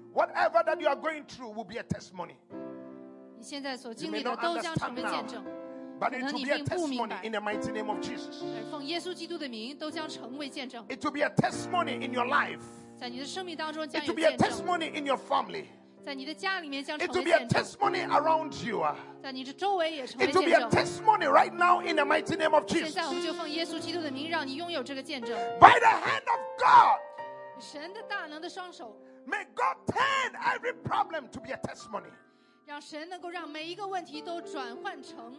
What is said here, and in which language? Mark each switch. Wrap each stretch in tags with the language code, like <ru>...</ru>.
<en>Whatever that you are going through will be a testimony.</en> <zh>你现在所经历的都将成为见证</zh> <en>But it will be a testimony in the mighty name of Jesus.</en> <zh>奉耶稣基督的名都将成为见证</zh> <en>It will be a testimony in your life.</en> <zh>在你的生命当中</zh> <en>It will be a testimony in your family.</en> <zh>在你的家里面将成为</zh> <en>It will be a testimony around you.</en> <zh>在你的周围也成为见证</zh> <en>It will be a testimony right now in the mighty name of Jesus</en> <zh>现在我们就奉耶稣基督的名让你拥有这个见证</zh> <en>By the hand of God</en> <zh>神的大能的双手</zh> <en>May God turn every problem to be a testimony</en> <zh>让神能够让每一个问题都转换成</zh>